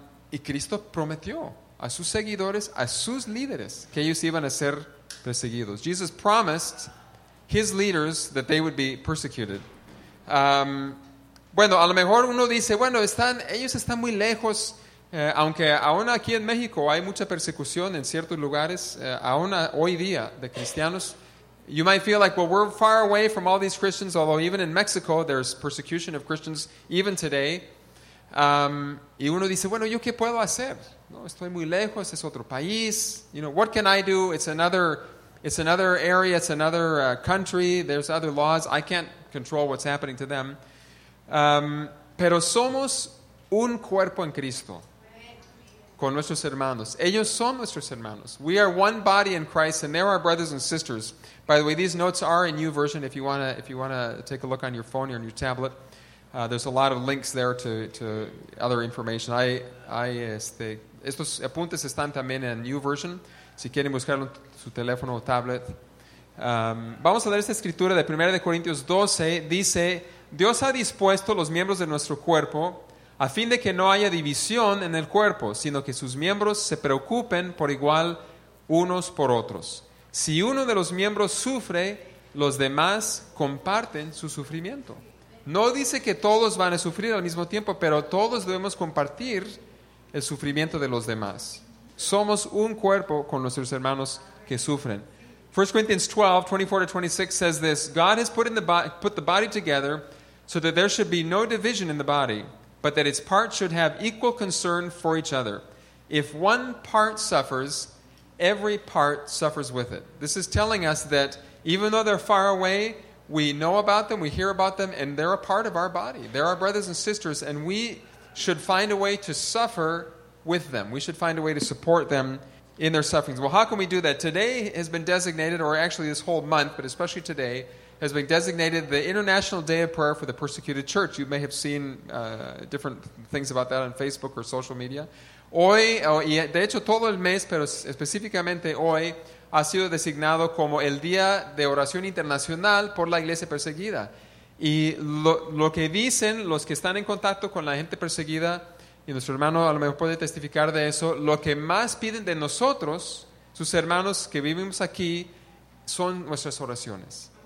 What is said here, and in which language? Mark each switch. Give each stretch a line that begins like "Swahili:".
Spanish: Y Cristo prometió a sus seguidores, a sus líderes, que ellos iban a ser perseguidos.
English: Jesus promised his leaders that they would be persecuted.
Spanish: Bueno, a lo mejor uno dice, bueno, ellos están muy lejos, aunque aún aquí en México hay mucha persecución en ciertos lugares, aún hoy día de cristianos.
English: You might feel like, well, we're far away from all these Christians, although even in Mexico there's persecution of Christians even today.
Spanish: Y uno dice, bueno, ¿yo qué puedo hacer? No, estoy muy lejos, es otro país.
English: You know, what can I do? It's another area, it's another country, there's other laws. I can't control what's happening to them.
Spanish: Pero somos un cuerpo en Cristo con nuestros hermanos. Ellos son nuestros hermanos.
English: We are one body in Christ, and they're our brothers and sisters. By the way, these notes are in YouVersion if you want to take a look on your phone or on your tablet. There's a lot of links there to other information.
Spanish: Estos apuntes están también en YouVersion. Si quieren buscarlo en su teléfono o tablet. Vamos a leer esta escritura de 1 Corintios 12. Dice, Dios ha dispuesto los miembros de nuestro cuerpo, a fin de que no haya división en el cuerpo, sino que sus miembros se preocupen por igual unos por otros. Si uno de los miembros sufre, los demás comparten su sufrimiento. No dice que todos van a sufrir al mismo tiempo, pero todos debemos compartir el sufrimiento de los demás. Somos un cuerpo con nuestros hermanos que sufren.
English: 1 Corinthians 12, 24-26 says this: God has put the body together so that there should be no division in the body, but that its parts should have equal concern for each other. If one part suffers, every part suffers with it. This is telling us that even though they're far away, we know about them, we hear about them, and they're a part of our body. They're our brothers and sisters, and we should find a way to suffer with them. We should find a way to support them in their sufferings. Well, how can we do that? Today has been designated, or actually this whole month, but especially today, has been designated the International Day of Prayer for the Persecuted Church. You may have seen different things about that on Facebook or social media.
Spanish: Hoy, de hecho, todo el mes, pero específicamente hoy, ha sido designado como el Día de Oración Internacional por la Iglesia Perseguida. Y lo que dicen los que están en contacto con la gente perseguida, y nuestro hermano a lo mejor puede testificar de eso, lo que más piden de nosotros, sus hermanos que vivimos aquí, son nuestras oraciones.